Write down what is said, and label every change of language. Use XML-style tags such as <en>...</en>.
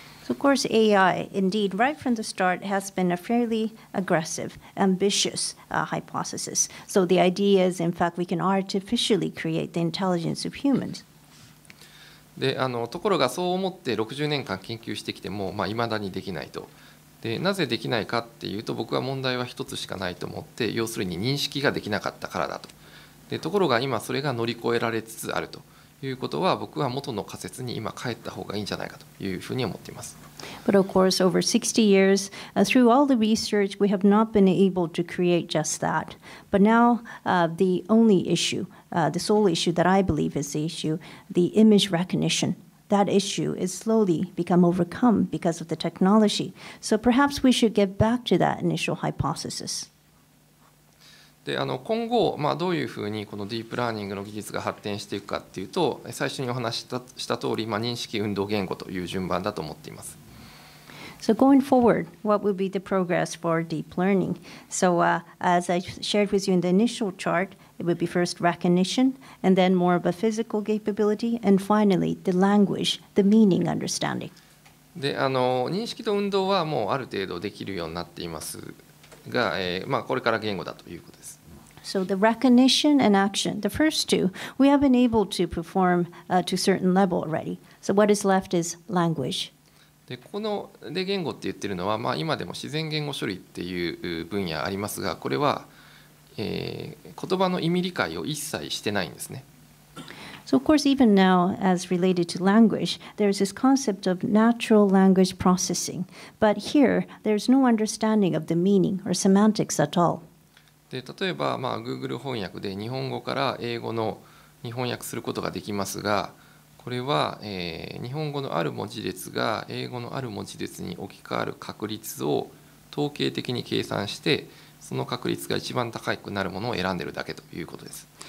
<en>Of course, AI, indeed, right from the start, has been a fairly aggressive, ambitious hypothesis. So the idea is, in fact, we can artificially create the intelligence of humans.</en> <ja>で、ところがそう思って60年間研究してきても、まあ、未だにできないと。で、なぜできないかっていうと、僕は問題は一つしかないと思って、要するに認識ができなかったからだと。で、ところが今それが乗り越えられつつあるとということは、僕は元の仮説に今帰った方がいいんじゃないかというふうに思っています。</ja> <en>But of course, over 60 years, through all the research, we have not been able to create just that. But now, the only issue, the sole issue that I believe is the issue, the image recognition, that issue is slowly become overcome because of the technology. So perhaps we should get back to that initial hypothesis.</en> <ja>で今後、どういうふうにこのディープラーニングの技術が発展していくかというと、最初にお話しした通り、認識運動言語という順番だと思っています。</ja> <en>So going forward, what will be the progress for deep learning? So, as I shared with you in the initial chart, it would be first recognition, and then more of a physical capability, and finally the language, the meaning understanding.</en> <ja>で認識と運動はもうある程度できるようになっていますが、これから言語だということです。</ja> <en>So the recognition and action, the first two, we have been able to perform to a certain level already. So what is left is language.</en> <ja>で、この言語って言ってるのは、今でも自然言語処理っていう分野ありますが、これは、言葉の意味理解を一切してないんですね。</ja> <en>So of course, even now, as related to language, there is this concept of natural language processing. But here, there is no understanding of the meaning or semantics at all.</en> <ja>で、例えば、Google 翻訳で日本語から英語の日本訳することができますが、これは、日本語のある文字列が英語のある文字列に置き換わる確率を統計的に計算して、その確率が一番高くなるものを選んでいるだけということです。</ja>